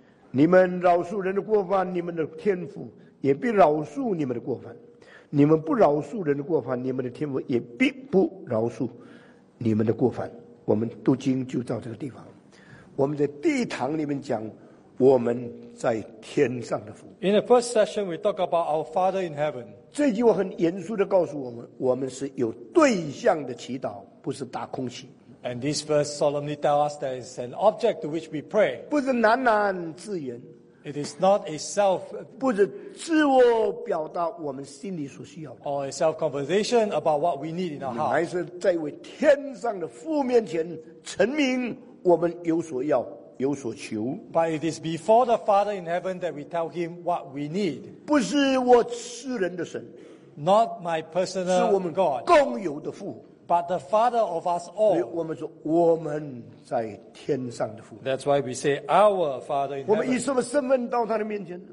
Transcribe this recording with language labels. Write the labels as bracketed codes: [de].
[zh] 你们饶恕人的过犯，你们的天父也必饶恕你们的过犯。你们不饶恕人的过犯，你们的天父也必不饶恕你们的过犯。我们读经就到这个地方。我们在第一堂里面讲我们在天上的父。 [en] In the first session, we talk about our Father in heaven. [zh] 这句话很严肃地告诉我们，我们是有对象的祈祷，不是打空气。 [en] And this verse solemnly tells us that it's an object to which we pray. [zh] 不是喃喃自言。 [en] It is not a self, [zh] 不是自我表达我们心里所需要的。 [en] Or a self-conversation about what we need in our heart. [zh] 还是在为天上的父面前成名，我们有所要，有所求。 [en] But it is before the Father in heaven that we tell him what we need. [zh] 不是我私人的神。 [en] Not my personal God. [zh] 是我们共有的父。 [en] But the Father of us all. [zh] 我们说我们。 [en] That's why we say our Father in heaven.